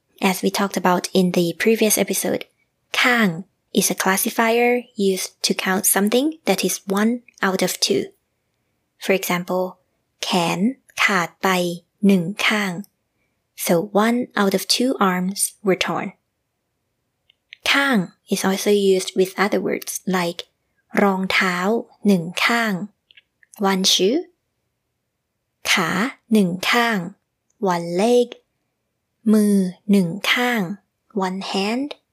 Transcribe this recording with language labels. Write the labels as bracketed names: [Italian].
[English] As we talked about in the previous episode, [Thai] ข้าง [English] Is a classifier used to count something that is one out of two. [Thai] For example, แขนขาดไปหนึ่งข้าง. [English] So one out of two arms were torn. ข้าง is also used with other words like [Thai] รองเท้าหนึ่งข้าง. [English] One shoe. [Thai] ขาหนึ่งข้าง. [English] One leg. [Thai] มือหนึ่งข้าง. [English] One hand.